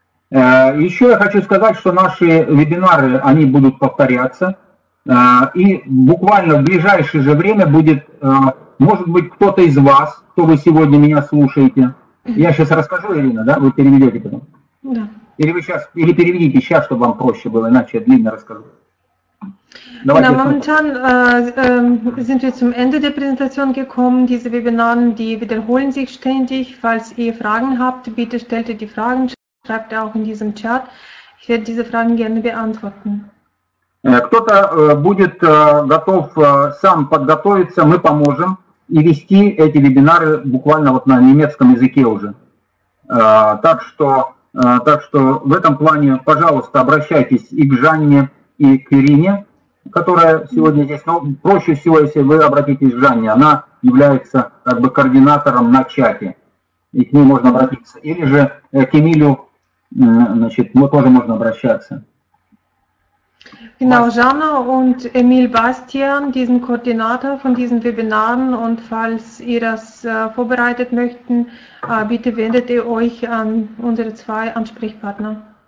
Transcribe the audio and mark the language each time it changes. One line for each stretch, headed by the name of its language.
Russian: Еще я хочу сказать, что наши вебинары, они будут повторяться. И буквально в ближайшее же время будет, может быть, кто-то из вас, кто вы сегодня меня слушаете. Я сейчас расскажу, Ирина, да? Вы переведете потом? Да. Или вы сейчас, или переведите сейчас, чтобы вам проще было, иначе я длинно расскажу. Давайте.
German: Momentan sind wir zum Ende der Präsentation gekommen. Diese Webinare, die wiederholen sich ständig. Falls ihr Fragen habt, bitte stellt die Fragen. Schreibt auch in diesem Chat. Ich werde diese Fragen gerne beantworten.
Russian: Кто-то будет готов сам подготовиться, мы поможем и вести эти вебинары буквально вот на немецком языке уже. Так что в этом плане, пожалуйста, обращайтесь и к Жанне, и к Ирине, которая сегодня здесь. Но проще всего, если вы обратитесь к Жанне, она является как бы координатором на чате. И к ней можно обратиться. Или же к Эмилю, мы тоже можно обращаться.
German: Genau, Jana und Emil Bastian, diesen Koordinator von diesen Webinaren. Und falls ihr das vorbereitet möchten, bitte wendet ihr euch an unsere zwei Ansprechpartner.